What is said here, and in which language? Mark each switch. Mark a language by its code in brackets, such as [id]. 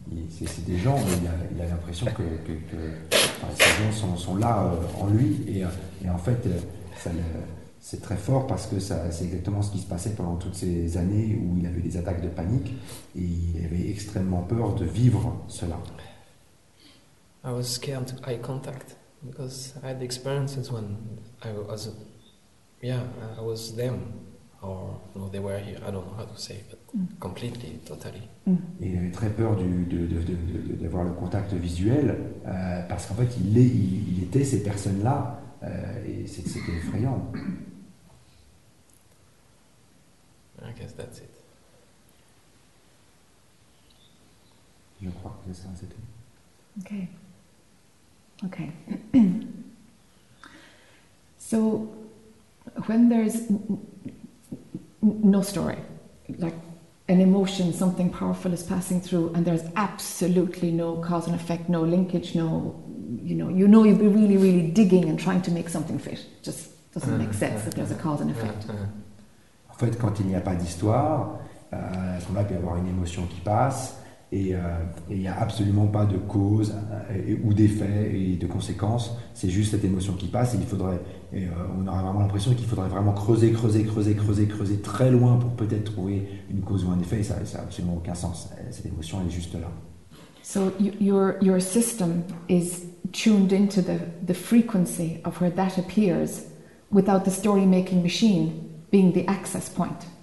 [fr] C'est des gens, mais il a l'impression que enfin, ces gens sont là en lui. Et en fait, c'est très fort parce que c'est exactement ce qui se passait pendant toutes ces années où il avait des attaques de panique et il avait extrêmement peur de vivre cela. [en] I was scared to eye contact because I had experiences when I was, yeah, I was them. Or no, they were here. I don't know how to say, but completely, totally. [fr] Il avait très peur d'avoir le contact visuel parce qu'en fait il était ces personnes-là et c'était effrayant. [en] I guess that's it. [fr] Je crois que ça c'était. [en] Okay. Okay. So when there's no story, like an emotion, something powerful is passing through, and there's absolutely no cause and effect, no linkage, no, you know, you'd be really, really digging and trying to make something fit. It just doesn't make sense that there's a cause and effect. [fr] En fait, quand il n'y a pas d'histoire, il peut y avoir une émotion qui passe, et il n'y a absolument pas de cause ou d'effet et de conséquences. C'est juste cette émotion qui passe, et il faudrait. Et on aurait vraiment l'impression qu'il faudrait vraiment creuser très loin pour peut-être trouver une cause ou un effet. Et ça n'a absolument aucun sens. Cette émotion, elle est juste là. [en] So your system is tuned into the frequency of where that appears without the story-making machine being the access point.